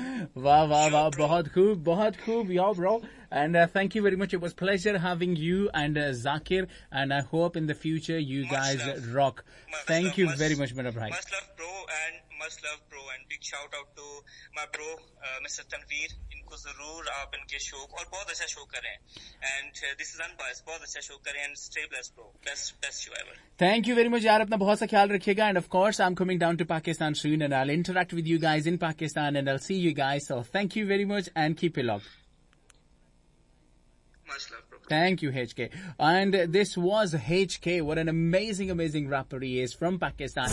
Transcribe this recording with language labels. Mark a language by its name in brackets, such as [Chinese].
[Urdu] बहुत खूब, बहुत खूब [English] yo bro, and thank you very much, it was pleasure having you and Zakir, and I hope in the future you guys rock, thank you very much [Urdu] मेरा भाई, [English] much love bro, and big shout out to my bro Mr. [Urdu] Tanveer, इनको जरूर आप इनके show, और बहुत अच्छा show करें, [English] and this is unbiased, [Urdu] बहुत अच्छा शो करें, [English] and stay blessed bro, best show ever, thank you very much यार, [Urdu] अपना बहुत सा ख्याल रखिएगा, [English] and of course I'm coming down to Pakistan soon and I'll interact with you guys in Pakistan and I'll see you guys, so thank you very much and keep it locked। Thank you, HK. And this was HK. What an amazing, amazing rapper he is from Pakistan.